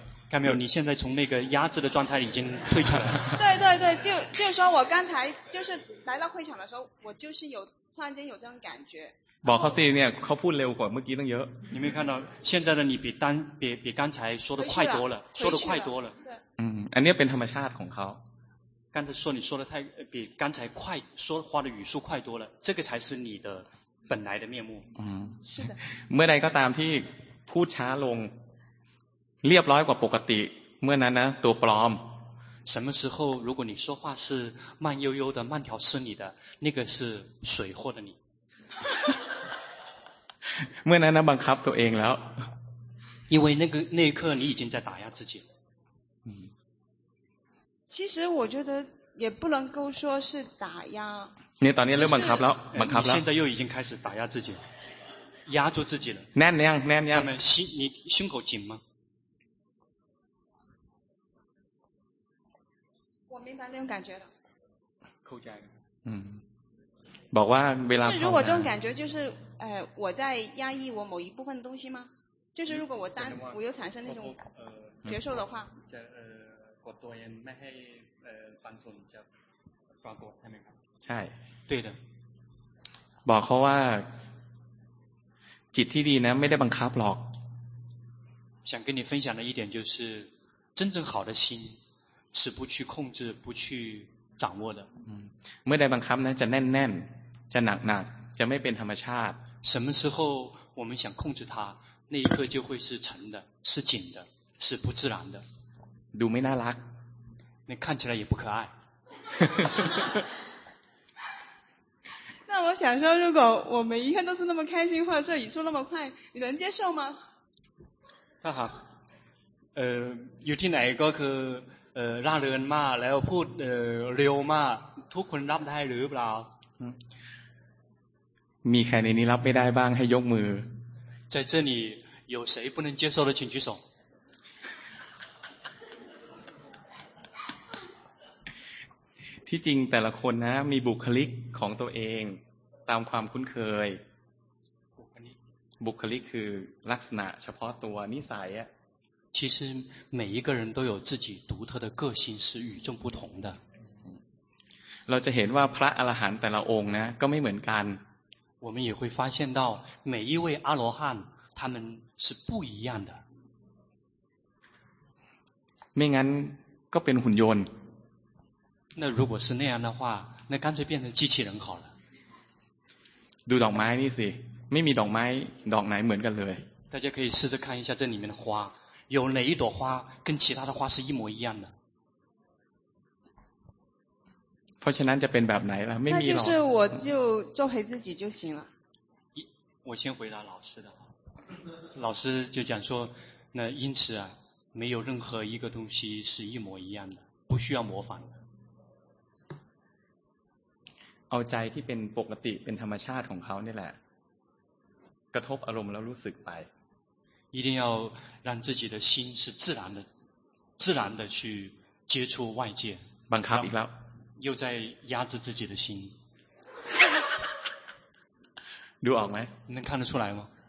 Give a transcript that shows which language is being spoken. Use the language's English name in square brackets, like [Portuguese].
[Chinese] 看没有，你现在从那个压制的状态已经退场了。对对对，就说我刚才就是来到会场的时候，我就是有突然间有这种感觉。 [Thai] 宝康师爷，เขาพูดเร็วกว่าเมื่อกี้ตั้งเยอะ。 [Chinese] 你没看到现在的你比刚才说的快多了，说的快多了。 [Thai] 嗯，อันนี้เป็นธรรมชาติของเขา。 [Chinese] 刚才说你说的太比刚才快，说话的语速快多了，这个才是你的本来的面目。嗯，是的。 [Thai] เมื่อใดก็ตามที่พูดช้าลงเรียบร้อยกว่าปกติเมื่อนั้นนะตัวปลอม [Chinese] 什么时候如果你说话是慢悠悠的慢条斯理的那个是水货的你 [Thai] เมื่อนั้นนะบังคับตัวเองแล้ว [Chinese] 因为那一刻你已经在打压自己其实我觉得也不能够说是打压 [Thai] 你ตอนนี้เริ่มบังคับแล้วบังคับแล้ว [Chinese] 你现在又已经开始打压自己压住自己了 [Thai] แน่นยังแน่นยัง [Chinese] 你胸口紧吗我明白那种感觉了扣下一个 [Thai] บอกว่าเวลา [Chinese] คือ如果这种感觉就是我在压抑我某一部分的东西吗就是如果我单我又产生那种觉受的话 [Thai] จะกดตัวเองไม่ให้ปันส่วนจะปรากฏใช่ ไหมครับ ใช่ ดีเ ลยบอกเขาว่าจิตที่ดีนะไม่ได้บังคับหรอก [Chinese] 想跟你分享的一点就是真正好的心是不去控制不去掌握的 [Thai] เมื่อได้บังคับนะจะแน่นแน่นจะหนักหนักจะไม่เป็นธรรมชาติ [Chinese] 什么时候我们想控制它那一刻就会是沉的是紧的是不自然的 [Thai] ดูไม่น่ารัก [Chinese] 那看起来也不可爱那我想说如果我每一天都是那么开心或者是语速那么快你能接受吗 [Thai] ถ้าหากอยู่ที่ไหนก็คือร่าเริงมากแล้วพูดเร็วมากทุกคนรับได้หรือเปล่ามีใครในนี้รับไม่ได้บ้างให้ยกมือ [Chinese] 在这里有谁不能接受的请举手 [Thai] ที่จริงแต่ละคนนะมีบุคลิกของตัวเองตามความคุ้นเคยบุคลิกคือลักษณะเฉพาะตัวนิสัยอะ [Chinese] 其实每一个人都有自己独特的个性是与众不同的 [Thai] เราจะเห็นว่าพระอรหันต์แต่ละองค์นะก็ไม่เหมือนกัน [Chinese] 我们也会发现到每一位阿罗汉他们是不一样的 [Thai] ไม่งั้นก็เป็นหุ่นยนต์ [Chinese] 那如果是那样的话那干脆变成机器人好了 [Thai] ดูดอกไม้นี่สิไม่มีดอกไม้ดอกไหนเหมือนกันเลย [Chinese] 大家可以试着看一下这里面的花有哪一朵花跟其他的花是一模一样的 [Thai] เพราะฉะนั้นจะเป็นแบบไหนล่ะไม่มีหรอก [Chinese] 那就是我就做回自己就行了我先回答老师的话老师就讲说那因此啊没有任何一个东西是一模一样的不需要模仿的 [Thai] เอาใจที่เป็นปกติเป็นธรรมชาติของเขานี่แหละกระทบอารมณ์แล้วรู้สึกไป [Chinese] 一定要让自己的心是自然的去接触外界 [Thai] บังคับอีกแล้ว [Chinese] 又在压制自己的心 [Thai] ดูออกไหม [Chinese] 能看得出来吗